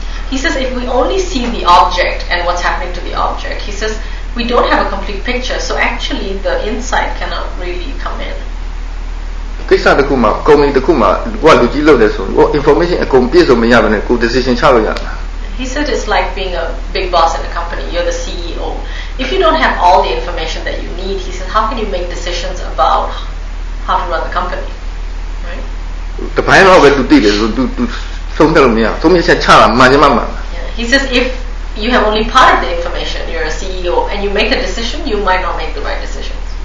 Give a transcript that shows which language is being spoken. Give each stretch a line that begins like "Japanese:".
English: He says if we only see the object and what's happening to the object, he says we don't have a complete picture. So actually the insight cannot really come in.
Burmese: ကိစ္စတခုမှာကုန်ပြီတခုမှာဘုကလူကြီးလုပ်တယ်ဆိုရင်ဟို information အကုန်ပြည့်စုံမရဘဲနဲ့ကို decision ချလို့ရတာ
English: He said it's like being a big boss in a company. You're the CEO. If you don't have all the information that you need, he said, how can you make decisions about how to run the company? Right?
Burmese: တပိုင်းတော့ပဲသူတိတယ်ဆို तू သုံးတယ်လို့မရဘူး။သုံးချက်ချတာမှန်ချင်မှမှန်
English: Yeah. He says if you have only part of the information, you're a CEO and you make a decision, you might not make the right decision.